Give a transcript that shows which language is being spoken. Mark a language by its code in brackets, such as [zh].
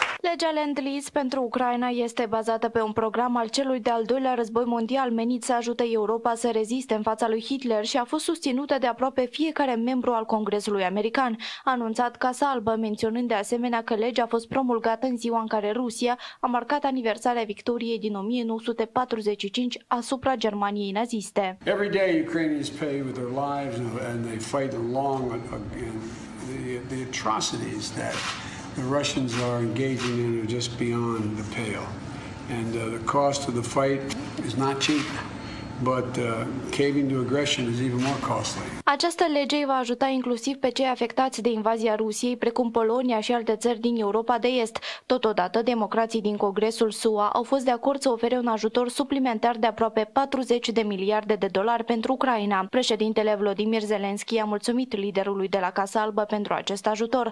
[ro] Legea Lend-Lease pentru Ucraina este bazată pe un program al celui de-al doilea război mondial menit să ajute Europa să reziste în fața lui Hitler și a fost susținută de aproape fiecare membru al Congresului American, a anunțat Casa Albă, menționând de asemenea că legea a fost promulgată în ziua în care Rusia a marcat aniversarea victoriei din 1945 asupra Germaniei naziste. [en] Every day Ukrainians pay with their lives and they fight along again. The atrocities that the Russians are engaging in are just beyond the pale. And the cost of the fight is not cheap, but caving to aggression is even more costly. [ro] Această lege va ajuta inclusiv pe cei afectați de invazia Rusiei, precum Polonia și alte țări din Europa de Est. Totodată, democrații din Congresul SUA au fost de acord să ofere un ajutor suplimentar de aproape 40 de miliarde de dolari pentru Ucraina. Președintele Volodymyr Zelensky a mulțumit liderului de la Casa Albă pentru acest ajutor.